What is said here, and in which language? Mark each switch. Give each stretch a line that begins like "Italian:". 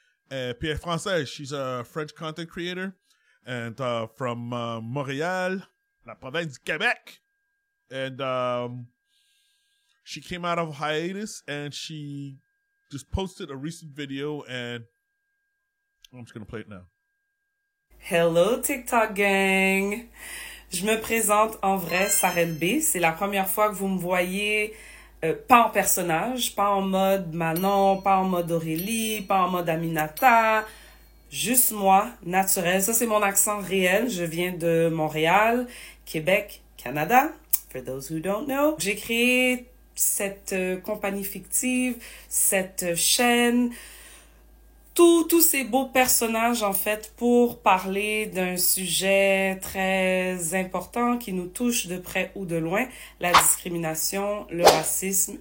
English: Pierre Française, she's a French content creator, and from Montréal, la province du Québec, and she came out of hiatus, and she just posted a recent video, and I'm just going to play it now. Hello, TikTok gang.
French: Je me présente en vrai, Sarelle B. C'est la première fois que vous me voyez... pas en personnage, pas en mode Manon, pas en mode Aurélie, pas en mode Aminata, juste moi, naturel. Ça, c'est mon accent réel. Je viens de Montréal, Québec, Canada,
English: for those who don't know.
French: J'ai créé cette compagnie fictive, cette chaîne, tous ces beaux personnages, en fait, pour parler d'un sujet très important qui nous touche de près ou de loin, la discrimination, le racisme.